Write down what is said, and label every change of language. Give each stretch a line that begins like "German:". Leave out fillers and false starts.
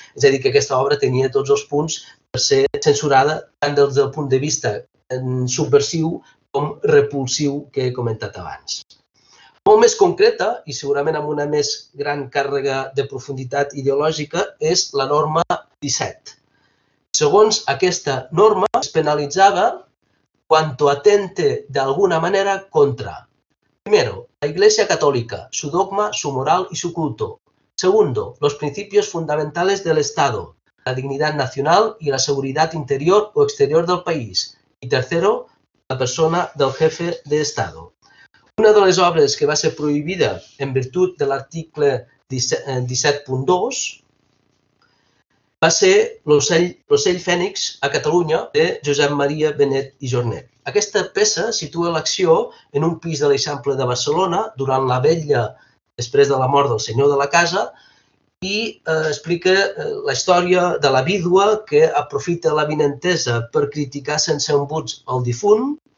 Catalan: És a dir, que aquesta obra tenia tots els punts per ser censurada tant des del punt de vista subversiu com repulsiu que he comentat abans. Molt més concreta, i segurament amb una més gran càrrega de profunditat ideològica, és la norma 17. Segons aquesta norma, es penalitzava quan atente d'alguna manera contra.
Spanish: Primero, la Iglesia Católica, su dogma, su moral y su culto. Segundo, los principios fundamentales del Estado, la dignidad nacional y la seguridad interior o exterior del país. Y tercero, la persona del jefe de Estado.
Catalan: Una de les obres que va ser prohibida en virtut de l'article 17.2 va ser L'ocell fènix a Catalunya de Josep Maria Benet i Jornet. Aquesta peça situa l'acció en un pis de l'Eixample de Barcelona durant la vetlla després de la mort del senyor de la casa i explica la història de la vídua que aprofita l'avinentesa per criticar sense embuts el difunt